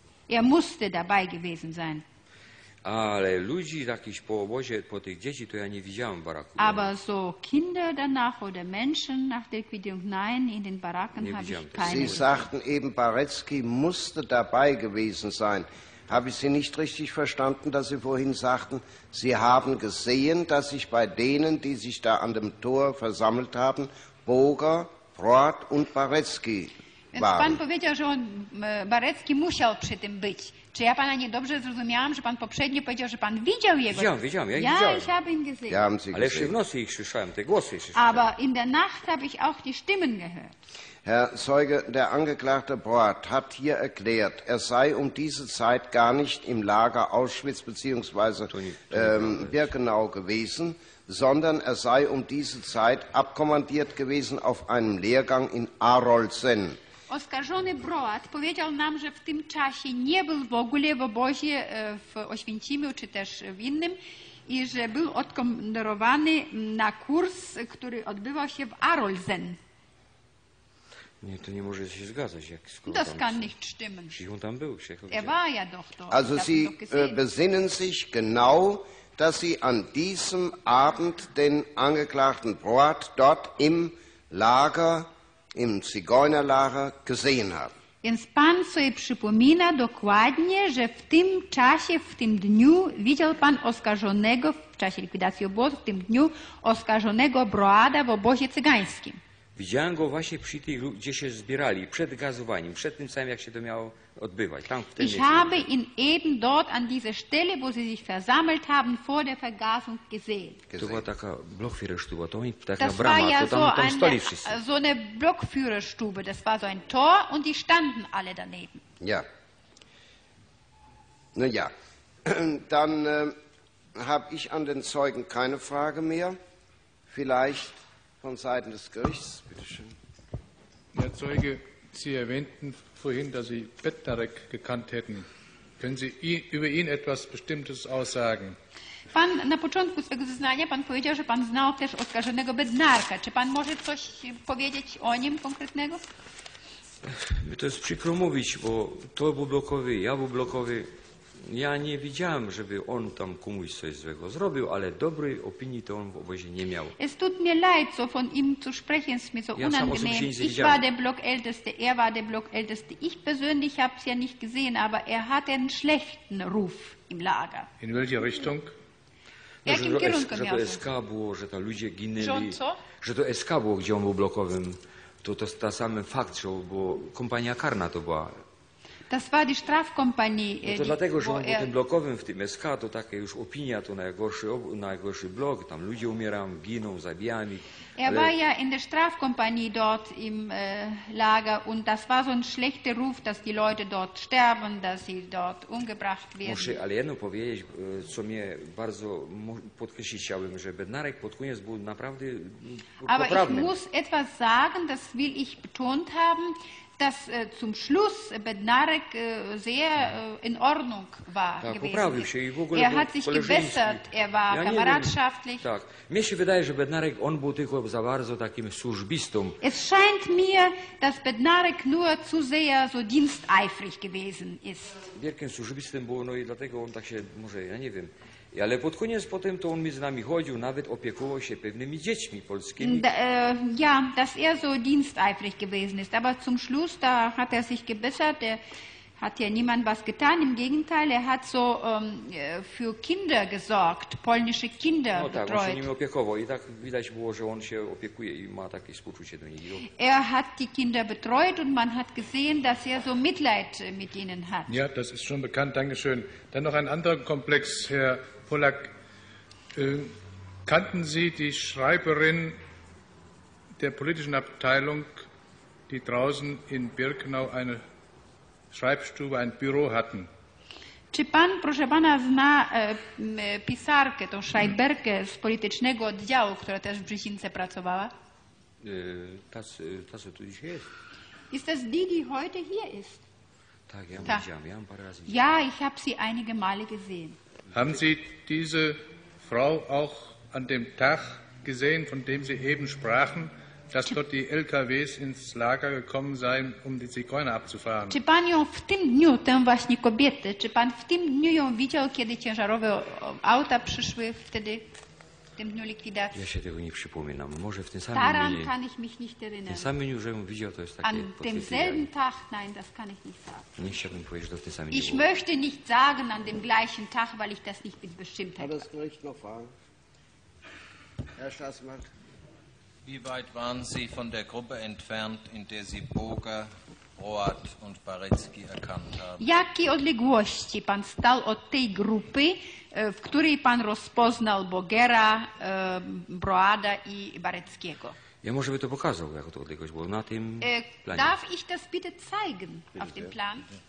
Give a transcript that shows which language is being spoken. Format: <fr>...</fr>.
<de>Er musste dabei gewesen sein.</de> <pl>Ale ludzi jakichś po obozie, po tych dzieci, to ja nie widziałem w baraku.</pl> <de>Aber so Kinder danach oder Menschen nach der Liquidierung, nein, in den Baracken habe ich keine. Sie sagten eben, Barecki musste dabei gewesen sein. Habe ich Sie nicht richtig verstanden, dass Sie vorhin sagten, Sie haben gesehen, dass sich bei denen, die sich da an dem Tor versammelt haben, Boger, Brod und Barecki waren?</de> <pl>Pan powiedział, że on, Barecki musiał przy tym być. Czy ja pana nie dobrze zrozumiałam, że pan poprzednio powiedział, że pan widział jego? Widziałem. Ale w nocy ich słyszałem, te głosy ich słyszałem.</pl> <de>Aber in der Nacht habe ich auch die Stimmen gehört. Herr Zeuge, der Angeklagte Brod hat hier erklärt, er sei um diese Zeit gar nicht im Lager Auschwitz bzw. Birkenau gewesen, sondern er sei um diese Zeit abkommandiert gewesen auf einem Lehrgang in Arolsen.</de> <pl>Oskarżony Brod powiedział nam, że w tym czasie nie był w ogóle w obozie w Oświęcimiu czy też w innym i że był odkomandowany na kurs, który odbywał się w Arolsen. Nie, to nie może się zgadzać, jak skoro</pl> <de>das kann nicht stimmen.</de> <pl>On tam był,</pl> <de>er war ja doch dort. Also Sie besinnen sich genau, dass Sie an diesem Abend den Angeklagten Brod dort im Lager, im Zigeunerlager gesehen haben.</de> <pl>Więc pan sobie przypomina dokładnie, że w tym czasie, w tym dniu widział pan oskarżonego, w czasie likwidacji obozu, w tym dniu oskarżonego Broda w obozie cygańskim. Widziałem go właśnie przy tej, gdzie się zbierali, przed gazowaniem, przed tym samym, jak się to miało odbywać. Tam w tym miejscu.</pl> <de>Ich habe ihn eben dort an dieser Stelle, wo sie sich versammelt haben, vor der Vergasung gesehen.</de> <pl>To była taka Blockführerstube, to taka</pl> <de>das</de> <pl>brama, ja to tam stoli wszyscy.</pl> <de>So eine Blockführerstube, das war so ein Tor und die standen alle daneben. Ja. Na ja, dann habe ich an den Zeugen keine Frage mehr. Vielleicht von Seiten des Gerichts, bitte schön. Herr Zeuge, Sie erwähnten vorhin, dass Sie Petnarek gekannt hätten. Können Sie über ihn etwas Bestimmtes aussagen?</de> <pl>Pan na początku swego zeznania pan powiedział, że pan znał też oskarżonego Bednarka. Czy pan może coś powiedzieć o nim konkretnego? Mi to jest przykro mówić, bo to był blokowy, ja był blokowy. Ja nie widziałem, żeby on tam komuś coś złego zrobił, ale dobrej opinii to on w obozie nie miał.</pl> <de>Es tut mir leid, so von ihm zu sprechen, ist mir so unangenehm. Ich war der Blockälteste, er war der Blockälteste. Ich persönlich habe es ja nicht gesehen, aber er hatte einen schlechten Ruf im Lager. In welcher Richtung?</de> <pl>Że to SK było, że ta ludzie ginęli, że to SK było, gdzie on był blokowym. To ta same fakt, że bo kompania karna to była.</pl> <de>Das war die Strafkompanie.</de> <pl>No to dlatego, że on był tym blokowym w tym SK, to taka już opinia, to najgorszy blok, tam ludzie umierają, giną, zabijają ich.</pl> <de>Er war ja in der Strafkompanie dort im Lager und das war so ein schlechter Ruf, dass die Leute dort sterben, dass sie dort umgebracht werden.</de> <pl>Muszę ale jedno powiedzieć, co mnie bardzo podkreślić chciałbym, że Bednarek pod koniec był naprawdę poprawny.</pl> <de>Aber ich muss etwas sagen, das will ich betont haben, dass zum Schluss Bednarek sehr in Ordnung war gewesen.</de> <pl>Się, w ogóle</pl> <de>er hat sich gebessert, er war ja kameradschaftlich.</de> <pl>Tak. Mnie się wydaje, że Bednarek, on był tylko za bardzo takim służbistą.</pl> <de>Es scheint mir, dass Bednarek nur zu sehr so diensteifrig gewesen ist.</de> <pl>Wielkim służbistym był, no i dlatego on tak się, może, ja nie wiem. Ale pod koniec potem to on mi z nami chodził, nawet opiekował się pewnymi dziećmi polskimi.</pl> <de>Ja, dass er so diensteifrig gewesen ist. Aber zum Schluss, da hat er sich gebessert. Er hat ja niemand was getan. Im Gegenteil, er hat so für Kinder gesorgt, polnische Kinder betreut.</de> <pl>No tak, on się nimi opiekował. I tak widać było, że on się opiekuje i ma takie współczucie do nich.</pl> <de>Er hat die Kinder betreut und man hat gesehen, dass er so Mitleid mit ihnen hat. Ja, das ist schon bekannt. Dankeschön. Dann noch ein anderer Komplex, Herr Polak, kannten Sie die Schreiberin der politischen Abteilung, die draußen in Birkenau eine Schreibstube, ein Büro hatten.</de> <pl>Czy pan, proszę pana, zna pisarkę, tą Schreiberkę z politycznego oddziału, która też w Brzesince pracowała? Ta, co tu dzisiaj jest.</pl> <de>Ist das die, die heute hier ist?</de> <pl>Tak, ja widziałam, ja</pl> <de>ein paar</de> <pl>razy.</pl> <de>Ja, ich habe sie einige Male gesehen. Haben Sie diese Frau auch an dem Tag gesehen, von dem Sie eben sprachen, dass dort die LKWs ins Lager gekommen seien, um die Zigeuner abzufahren?</de> <pl>Czy pan ją w tym dniu, tę właśnie kobietę, czy pan w tym dniu ją widział, kiedy ciężarowe auta przyszły wtedy, w tym dniu likwidacji? Ja się tego nie przypominam. Może w tym samym</pl> <de>Daran</de> <pl>dniu.</pl> <de>Kann ich mich nicht erinnern.</de> <pl>Ten sam dniu, że ją widział, to jest takie</pl> <de>an dem selben Tag, nein, das kann ich nicht sagen.</de> <pl>Nie chciałbym powiedzieć, że w tym samym dniu.</pl> <de>Ich möchte nicht sagen an dem gleichen Tag, weil ich das nicht mit Bestimmtheit habe. Kann das Gericht noch fragen? Herr Staatsmann. Wie weit waren Sie von der Gruppe entfernt, in der Sie Boger, Roat und Barecki erkannt haben?</de> <pl>Jakie odległości pan stał od tej grupy, w której pan rozpoznał Bogera, Broada i Bareckiego? Ja może by to pokazał, jak to odległość było na tym planie.</pl> <de>Darf ich das bitte zeigen auf dem Plan?</de>